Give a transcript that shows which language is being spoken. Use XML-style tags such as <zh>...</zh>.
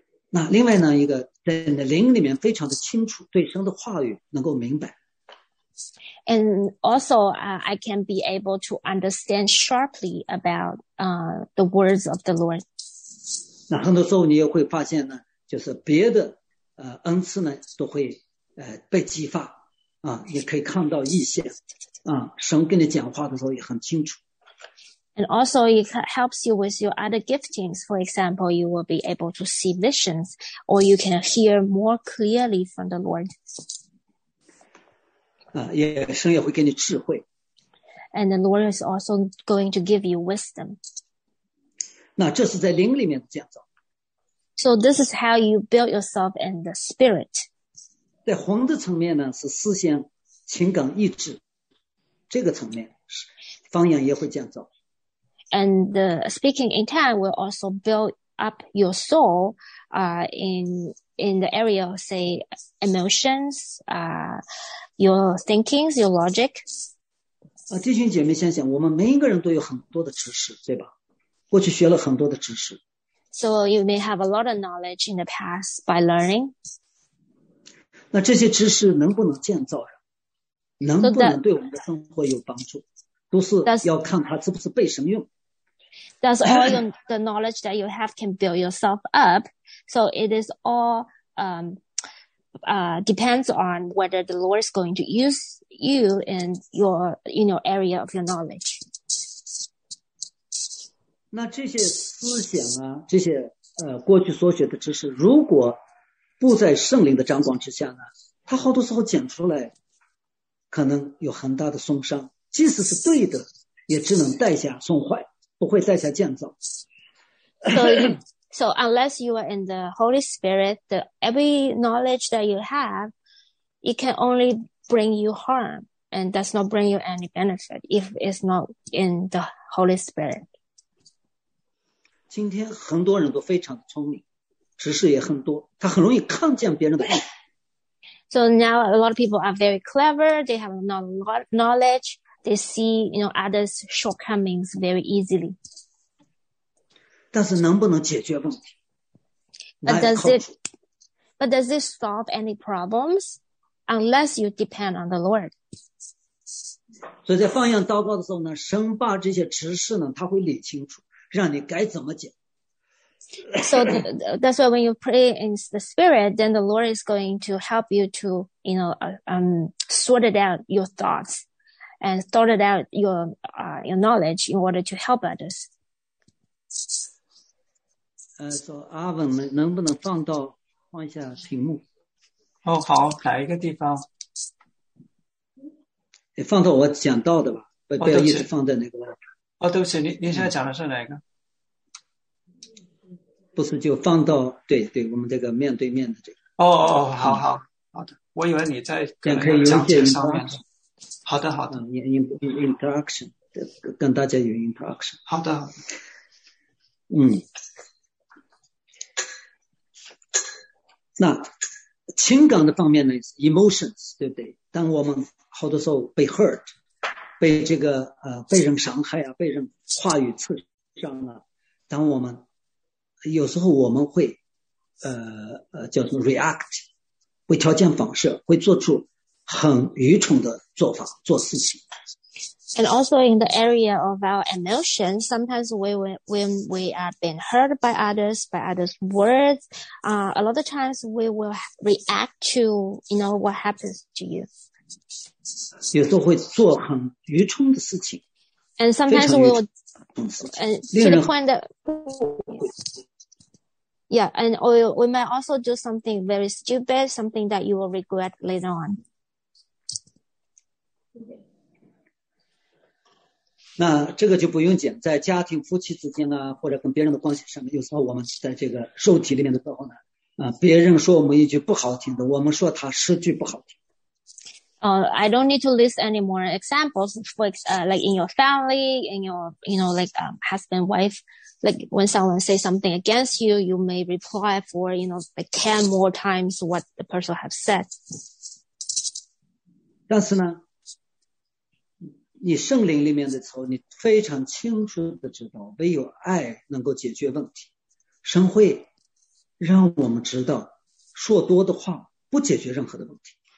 <zh>那另外呢，一个在你的灵里面非常的清楚对神的话语，能够明白。</zh> <en>And also, I can be able to understand sharply about the words of the Lord.</en> <zh>那很多时候你也会发现呢，就是别的恩赐呢都会。被激发啊，也可以看到异象啊，神跟你讲话的时候也很清楚。</zh> <en>And also, it helps you with your other giftings. For example, you will be able to see visions, or you can hear more clearly from the Lord.</en> <zh>啊，也神也会给你智慧。</zh> <en>And the Lord is also going to give you wisdom.</en> <zh>那这是在灵里面的建造。</zh> <en>So this is how you build yourself in the spirit.</en> <zh>在魂的层面呢，是思想、情感、意志，这个层面，方言也会建造。</zh> <en>And the speaking in tongues will also build up your soul, in the area of say emotions, your thinkings, your logic.</en> <zh>啊，弟兄姐妹，想想，我们每一个人都有很多的知识，对吧？过去学了很多的知识。</zh> <en>So you may have a lot of knowledge in the past by learning.</en> <zh>那这些知识能不能建造人？能不能对我们的生活有帮助？都是要看它是不是被神用。</zh> <en>Does all the knowledge that you have can build yourself up? So it is all depends on whether the Lord is going to use you in your area of your knowledge.</en> <zh>那这些思想啊，这些过去所学的知识，如果不在圣灵的掌管之下呢，他好多时候讲出来可能有很大的损伤，即使是对的也只能带下损坏，不会带下建造。</zh> <en>So unless you are in the Holy Spirit, every knowledge that you have, it can only bring you harm and does not bring you any benefit if it's not in the Holy Spirit.</en> <zh>今天很多人都非常的聪明，知识也很多，他很容易看见别人的。</zh> <en>So now a lot of people are very clever. They have a lot of knowledge. They see, you know, others' shortcomings very easily.</en> <zh>但是能不能解决问题</zh> <en>But does it solve any problems? Unless you depend on the Lord.</en> <zh>所以在放羊祷告的时候呢，神把这些知识呢，他会理清楚，让你该怎么解。</zh> <en>So that's why when you pray in the spirit, then the Lord is going to help you to, you know, sort it out your thoughts and sort it out your knowledge in order to help others. So</en> <zh>Arvin, 能不能放一下屏幕？哦，好，哪一个地方？你放到我讲到的吧，不要一直放在那个。哦，对不起，您现在讲的是哪一个？不是就放到对我们这个面对面的这个。好的，我以为你在讲解上面。好的， interaction 跟大家有 interaction。好的，那情感的方面呢 ，emotions 对不对？当我们好多时候被 hurt， 被这个被人伤害啊，被人话语刺伤啊，当我们。有时候我们会叫做 react， 会条件反射，会做出很愚蠢的做法做事情。</zh> <en>And also in the area of our emotions, sometimes when we have been hurt by others, by others' words, a lot of times we will react to, you know, what happens to you.</en> <zh>有时候会做很愚蠢的事情。</zh> <en>And sometimes we will, to the point that, Yeah, and or we might also do something very stupid, something that you will regret later on.</en> <zh>那这个就不用讲，在家庭夫妻之间呢，或者跟别人的关系上面，有时候我们在这个肉体里面的时候呢，别人说我们一句不好听的，我们说他十句不好听。</zh> <en>I don't need to list any more examples, like in your family, in your, you know, like, husband, wife, like when someone says something against you, you may reply for, you know, like 10 more times what the person have said.</en> <zh>但是呢，你圣灵里面的时候，你非常清楚的知道，唯有爱能够解决问题。神会让我们知道，说多的话不解决任何的问题。</zh>